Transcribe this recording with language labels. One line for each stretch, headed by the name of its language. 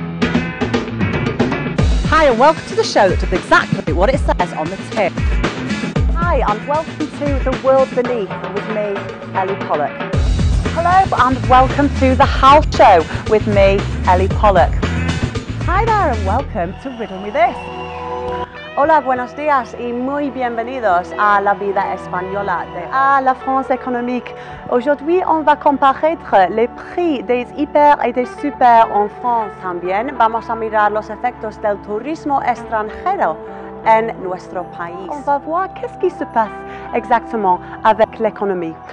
English: and welcome to the show that does exactly what it says on the tin. Hi, and welcome to The World Beneath with me, Ellie Pollock. Hello, and welcome to The House Show with me, Ellie Pollock. Hi there, and welcome to Riddle Me This.
Spanish: Hola, buenos días y muy bienvenidos a la vida española de
French: à la France économique. Aujourd'hui, on va comparer les prix des hyper et des super en France.
Spanish: También vamos a mirar los efectos del turismo extranjero en nuestro país.
French: On va voir qu'est-ce qui se passe exactement avec l'économie.